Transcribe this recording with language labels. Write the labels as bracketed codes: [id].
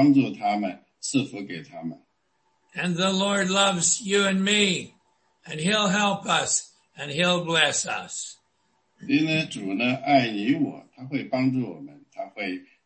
[zh] 愿主呢爱他们，帮助他们，赐福给他们。 [en] And the Lord loves you and me, and He'll help us, and He'll bless us. [zh] 因为主呢爱你我，他会帮助我们，他会。